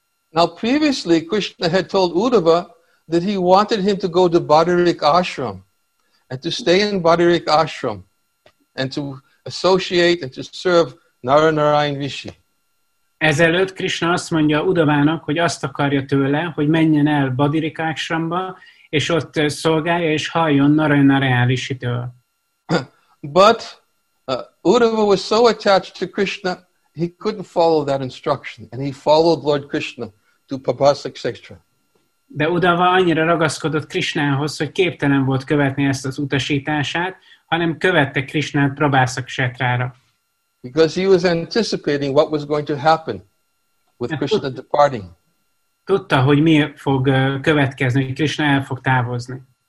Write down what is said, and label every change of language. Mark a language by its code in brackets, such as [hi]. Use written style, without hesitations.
[en] Now previously Krishna had told Uddhava that he wanted him to go to Bhadarik Ashram and to stay in Bhadarik Ashram and to associate and to serve Naranarayan Rishi. [hu] Ezelőtt Krishna azt mondja Uddhavának, hogy azt akarja tőle, hogy menjen el Bhadarik Ashramba, és ott szolgálja és halljon Naranarayan Rishitől. [en] But Uddhava was so attached to Krishna, he couldn't follow that instruction, and he followed Lord Krishna to Prabhasa Kshetra. [hu] De Uddhava annyira ragaszkodott Krishnához, hogy képtelen volt követni ezt az utasítását, hanem követte Krishnát Prabhasa Kshetrára. [en] Because he was anticipating what was going to happen with Krishna departing. [hu] Tudta, hogy mi fog következni, hogy Krishna el fog távozni.